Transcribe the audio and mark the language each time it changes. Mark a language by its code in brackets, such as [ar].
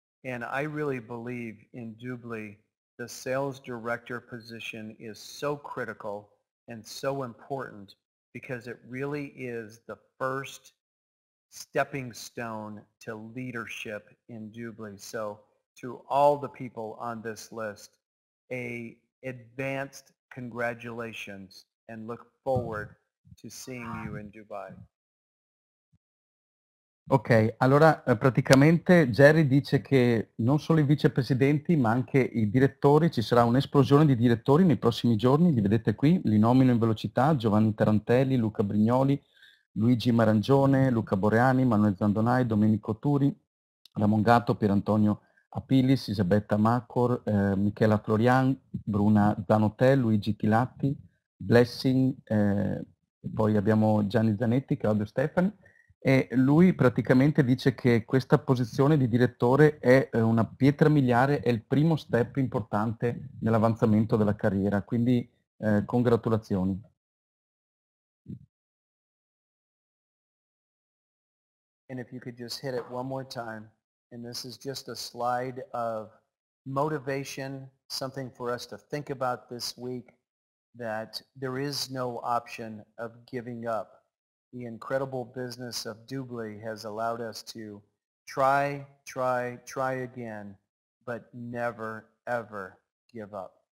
[en] And I really believe in Dubly, the sales director position is so critical and so important because it really is the first stepping stone to leadership in Dubly. So to all the people on this list, a advanced congratulations and look forward to seeing you in Dubai. [it] Ok, allora praticamente Jerry dice che non solo i vicepresidenti ma anche i direttori, ci sarà un'esplosione di direttori nei prossimi giorni, li vedete qui, li nomino in velocità: Giovanni Tarantelli, Luca Brignoli, Luigi Marangione, Luca Boreani, Manuel Zandonai, Domenico Turi, Ramon Gatto, Pier Antonio Apilis, Isabetta Macor, Michela Florian, Bruna Zanotel, Luigi Tilatti, Blessing, poi abbiamo Gianni Zanetti, Claudio Stefani. E lui praticamente dice che questa posizione di direttore è una pietra miliare, è il primo step importante nell'avanzamento della carriera, quindi congratulazioni. [en] And if you could just hit it one more time, and this is just a slide of motivation, something for us to think about this week, that there is no option of giving up. The incredible business of Dubly has allowed us to try again, but never, ever give up.